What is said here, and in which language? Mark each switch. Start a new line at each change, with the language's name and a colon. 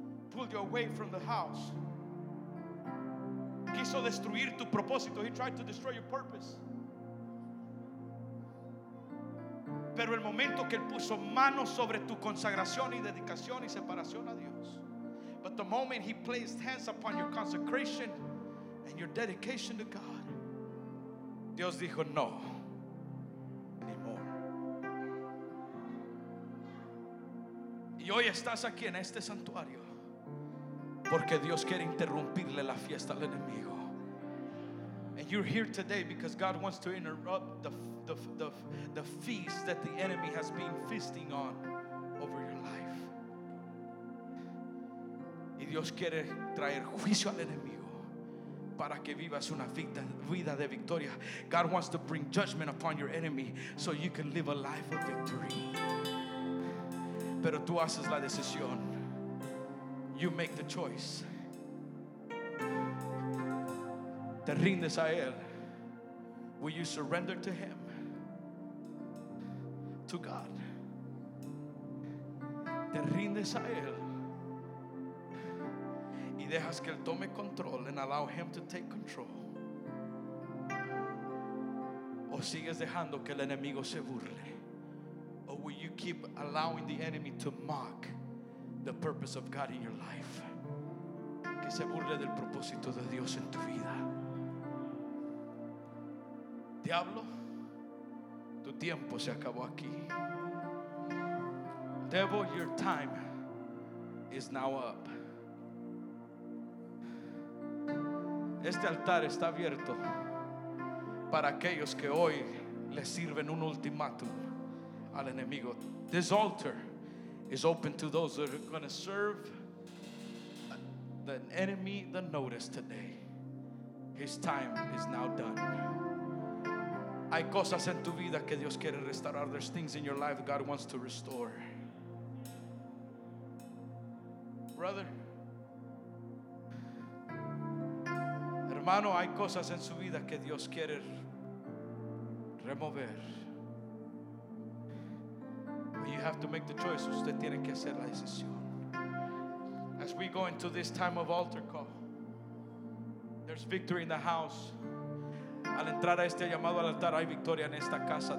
English: Pulled you away from the house.
Spanish: Quiso destruir tu propósito.
English: He tried to destroy your purpose.
Spanish: Pero el momento que él puso manos sobre tu consagración y dedicación y separación a Dios.
English: But the moment he placed hands upon your consecration and your dedication to God.
Spanish: Dios dijo no. Y hoy estás aquí en este santuario porque Dios quiere interrumpirle la fiesta al enemigo.
English: And you're here today because God wants to interrupt the feast that the enemy has been feasting on over your life.
Spanish: Y Dios quiere traer juicio al enemigo para que vivas una vida de victoria.
English: God wants to bring judgment upon your enemy so you can live a life of victory.
Spanish: Pero tú haces la decisión.
English: You make the choice.
Spanish: Te rindes a Él.
English: Will you surrender to Him? To God.
Spanish: Te rindes a Él. Y dejas que Él tome control.
English: And allow Him to take control.
Spanish: O sigues dejando que el enemigo se burle.
English: Or will you keep allowing the enemy to mock the purpose of God in your life?
Spanish: Que se burle del propósito de Dios en tu vida. Diablo, tu tiempo se acabó aquí.
English: Devil, your time is now up.
Spanish: Este altar está abierto para aquellos que hoy le sirven un ultimátum al enemigo.
English: This altar is open to those that are going to serve the enemy the notice today. His time is now done.
Spanish: Hay cosas en tu vida que Dios quiere restaurar.
English: There's things in your life God wants to restore.
Spanish: Brother, hermano, hay cosas en su vida que Dios quiere remover.
English: You have to make the choice.
Spanish: Usted tiene que hacer la decisión.
English: As we go into this time of altar call, there's victory in the house.
Spanish: Al entrar a este llamado al altar, hay victoria en esta casa.